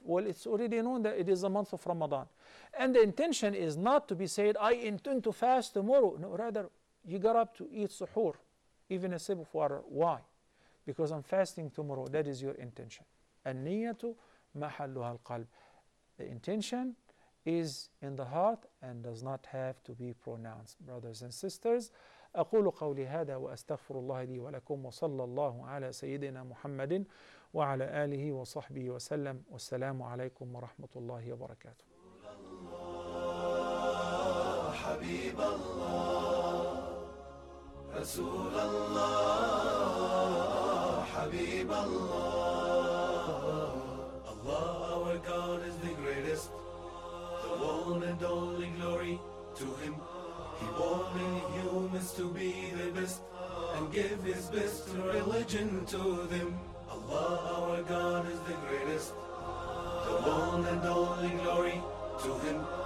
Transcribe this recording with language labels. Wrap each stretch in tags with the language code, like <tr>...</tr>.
<en>Well, it's already known that it is the month of Ramadan. And the intention is not to be said, I intend to fast tomorrow. No, rather, you got up to eat suhoor, even a sip of water. Why? Because I'm fasting tomorrow. That is your intention.</en> <ar>An-niyatu mahalluha al-qalb.</ar> <en>The intention is in the heart and does not have to be pronounced. Brothers and sisters,</en> <ar>أقول قولي هذا وأستغفر الله لي ولكم وصلى الله على سيدنا محمد وعلى آله وصحبه وسلم والسلام عليكم ورحمة الله وبركاته. حبيب الله رسول الله حبيب الله.</ar> <en>Allah our God is the greatest, the one and only glory to Him. He born in humans to be the best and give his best religion to them. Allah, our God, is the greatest. The one and only glory to Him.</en>